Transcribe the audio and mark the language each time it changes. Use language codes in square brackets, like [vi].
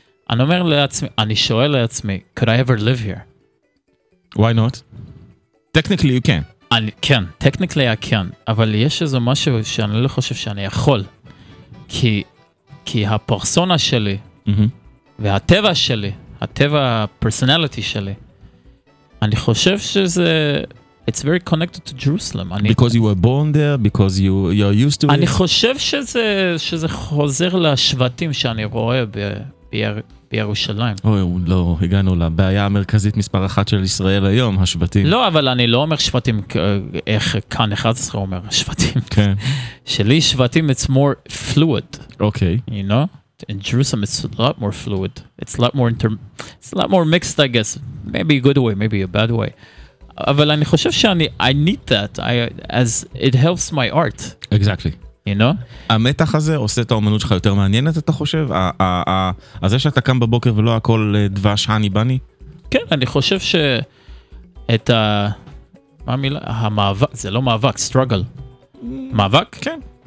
[he] אני אומר לעצמי, אני שואל לעצמי, [en] could I ever live here? Why not? Technically you can. [he] אני, כן, טכניקלי כן, אבל יש איזה משהו שאני לא חושב שאני יכול, כי הפרסונה שלי, והטבע שלי, הטבע הפרסונליטי שלי, אני חושב שזה, [en] it's very connected to Jerusalem. Because you were born there, because you're used to it. [he] אני חושב שזה חוזר לשבטים שאני רואה בירושלים. אוי, לא, הגענו לבעיה המרכזית מספר אחת של ישראל היום, השבטים. לא, אבל אני לא אומר שבטים, איך כאן 11 אומר השבטים. כן. שלי שבטים, [en] it's more fluid. Okay. You know? In Jerusalem, it's a lot more fluid. It's a lot more mixed, I guess. Maybe a good way, maybe a bad way. [he] אבל אני חושב שאני, [en] I need that, as it helps my art. Exactly. You know? [he] המתח הזה עושה את האומנות שלך יותר מעניינת, אתה חושב? הזה שאתה קם בבוקר ולא הכל דבש, הני, בני? כן, אני חושב שאת ה... מה המילה? המאבק, זה לא מאבק, struggle. מאבק? כן.